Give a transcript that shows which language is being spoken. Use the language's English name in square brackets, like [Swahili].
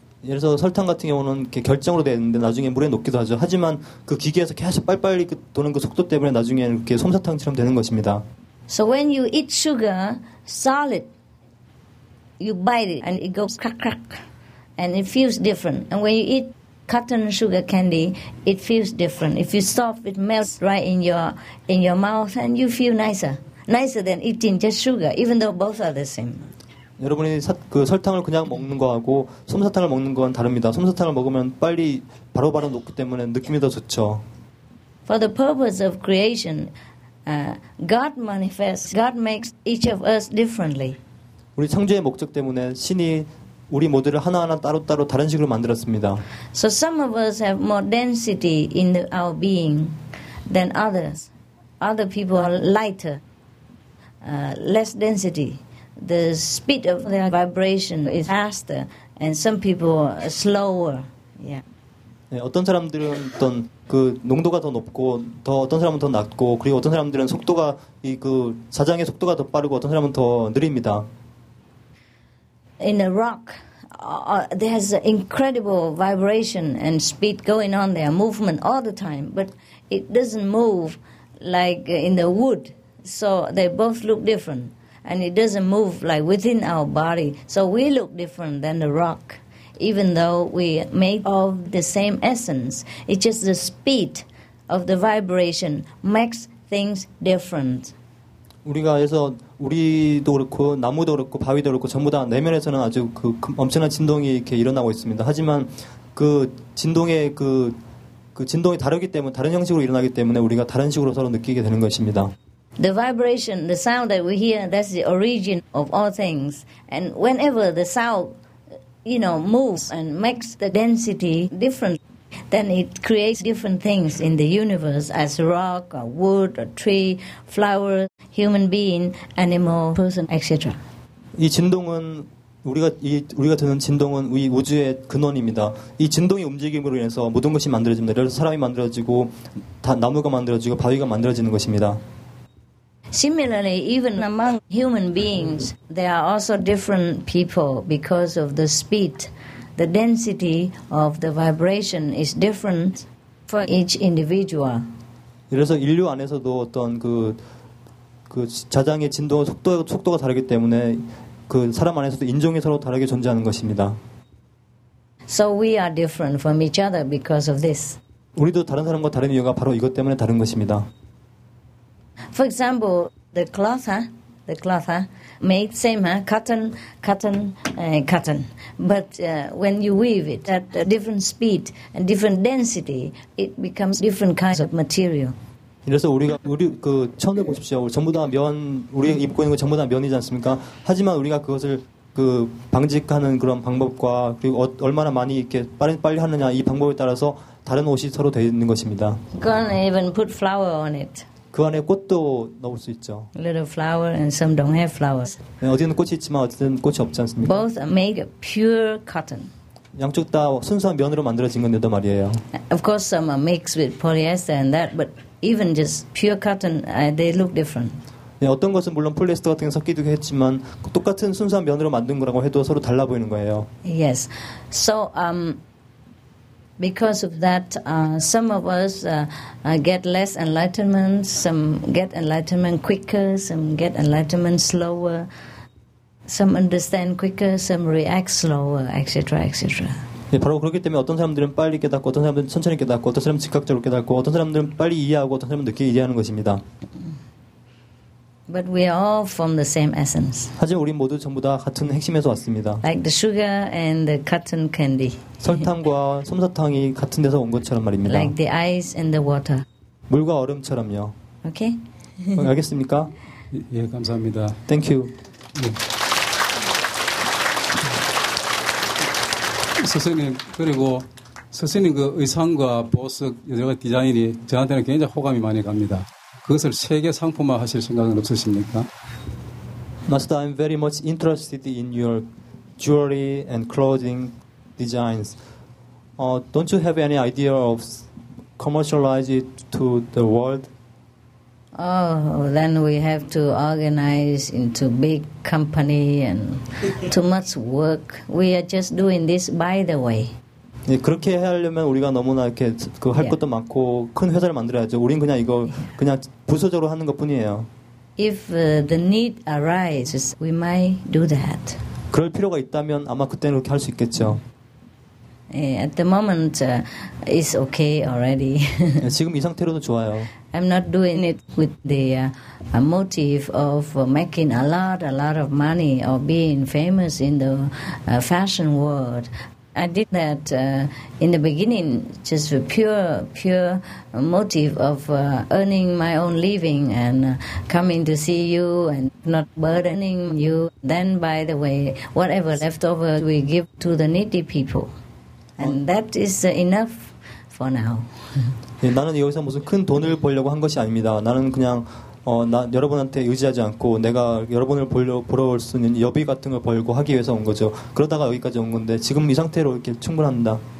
[Korean] 예를 들어서 설탕 같은 경우는 이렇게 결정으로 되는데 나중에 물에 녹기도 하죠. 하지만 그 기계에서 계속 빨리빨리 도는 그 속도 때문에 나중에 이렇게 솜사탕처럼 되는 것입니다. [English] So when you eat sugar solid, you bite it and it goes crack crack and it feels different. And when you eat cotton sugar candy, it feels different. If you soft, it melts right in your mouth and you feel nicer than eating just sugar, even though both are the same. [Korean] 여러분이 그 설탕을 그냥 먹는 거하고 솜사탕을 먹는 건 다릅니다. 솜사탕을 먹으면 빨리 바로바로 녹기 때문에 느낌이 더 좋죠. [English] For the purpose of creation, God manifests. God makes each of us differently. [Korean] 우리 창조의 목적 때문에 신이 우리 모두를 하나하나 따로따로 다른 식으로 만들었습니다. [English] So some of us have more density in our being than others. Other people are lighter, less density. The speed of their vibration is faster, and some people are slower. Yeah. [Korean] 네, 어떤 사람들은 어떤 그 농도가 더 높고 더 어떤 사람은 더 낮고 그리고 어떤 사람들은 속도가 이 그 자장의 속도가 더 빠르고 어떤 사람은 더 느립니다. [English] In a rock, there's an incredible vibration and speed going on there, movement all the time, but it doesn't move like in the wood. So they both look different. And it doesn't move like within our body. So we look different than the rock, even though we are made of the same essence. It's just the speed of the vibration makes things different. [Korean] 우리가 해서 우리도 그렇고 나무도 그렇고 바위도 그렇고 전부 다 내면에서는 아주 그 엄청난 진동이 이렇게 일어나고 있습니다. 하지만 그 진동의 그 진동이 다르기 때문에 다른 형식으로 일어나기 때문에 우리가 다른 식으로 서로 느끼게 되는 것입니다. [English] The vibration, the sound that we hear, that's the origin of all things. And whenever the sound, you know, moves and makes the density different, then it creates different things in the universe as rock, or wood, or tree, flower, human being, animal, person, etc. [Korean] 이 진동은 우리가 듣는 진동은 우리 우주의 근원입니다. 이 진동이 움직임으로 인해서 모든 것이 만들어집니다. 예를 들어 사람이 만들어지고 나무가 만들어지고 바위가 만들어지는 것입니다. [English] Similarly, even among human beings, there are also different people because of the speed. The density of the vibration is different for each individual. [Korean] 그래서 인류 안에서도 어떤 그 자장의 진동 속도가 다르기 때문에 그 사람 안에서도 인종이 서로 다르게 존재하는 것입니다. [English] So we are different from each other because of this. [Korean] 우리도 다른 사람과 다른 이유가 바로 이것 때문에 다른 것입니다. [English] For example, the cloth, huh? The cloth, huh? Made same, huh? Cotton, cotton. But when you weave it at a different speed and different density, it becomes different kinds of material. [Korean] 그래서 우리가 우리 그 천을 보십시오. 전부 다 면, 우리가 입고 있는 거 전부 다 면이지 않습니까? 하지만 우리가 그것을 그 방직하는 그런 방법과 그리고 얼마나 많이 이렇게 빨리 하느냐 이 방법에 따라서 다른 옷이 서로 되어 있는 것입니다. [English] You can't even put flour on it. [Korean] 그 안에 꽃도 넣을 수 있죠. [English] Little flower and some don't have flowers. [Korean] 네, 어디는 꽃이 있지만 어디는 꽃이 없지 않습니까? [English] Both are made of pure cotton. [Korean] 양쪽 다 순수한 면으로 만들어진 건데도 말이에요. [English] Of course, some are mixed with polyester and that, but even just pure cotton, they look different. [Korean] 네, 어떤 것은 물론 폴리에스터 같은 게 섞이기도 했지만 똑같은 순수한 면으로 만든 거라고 해도 서로 달라 보이는 거예요. [English] Yes. So, because of that, some of us get less enlightenment, some get enlightenment quicker, some get enlightenment slower, some understand quicker, some react slower, etc., etc. [Korean] 네, 바로 그렇기 때문에 어떤 사람들은 빨리 깨닫고, 어떤 사람들은 천천히 깨닫고, 어떤 사람은 즉각적으로 깨닫고, 어떤 사람들은 빨리 이해하고, 어떤 사람은 늦게 이해하는 것입니다. [English] But we are all from the same essence. [Korean] 하지만 우리 모두 전부 다 같은 핵심에서 왔습니다. [English] Like the sugar and the cotton candy. [Korean] 설탕과 솜사탕이 같은 데서 온 것처럼 말입니다. [English] Like the ice and the water. [Korean] 물과 얼음처럼요. [English] Okay. [Korean] 알겠습니까? 예, 감사합니다. [English] Thank you. [Korean] 예. 선생님 그리고 선생님 그 의상과 보석 여러 가지 디자인이 저한테는 굉장히 호감이 많이 갑니다. 그것을 세계 상품화 하실 생각은 없으십니까? [English] Master, I'm very much interested in your jewelry and clothing designs. Don't you have any idea of commercialize it to the world? Oh, then we have to organize into big company and too much work. We are just doing this by the way. [Korean] 예, 그렇게 하려면 우리가 너무나 이렇게 그 할 것도 많고 큰 회사를 만들어야죠. 우린 그냥 이거 그냥 부서적으로 하는 것뿐이에요. [English] If the need arises, we might do that. [Korean] 그럴 필요가 있다면 아마 그때는 그렇게 할 수 있겠죠. [English] At the moment, it's okay already. [Korean] 예, 지금 이 상태로도 좋아요. [English] I'm not doing it with the motive of making a lot of money or being famous in the fashion world. I did that in the beginning just for pure motive of earning my own living and coming to see you and not burdening you. Then, by the way, whatever leftover we give to the needy people. And that is enough for now. [Korean] 예, 나는 여기서 무슨 큰 돈을 벌려고 한 것이 아닙니다. 나는 그냥 나 여러분한테 의지하지 않고 내가 여러분을 보러 올 수 있는 여비 같은 걸 벌고 하기 위해서 온 거죠. 그러다가 여기까지 온 건데 지금 이 상태로 이렇게 충분합니다.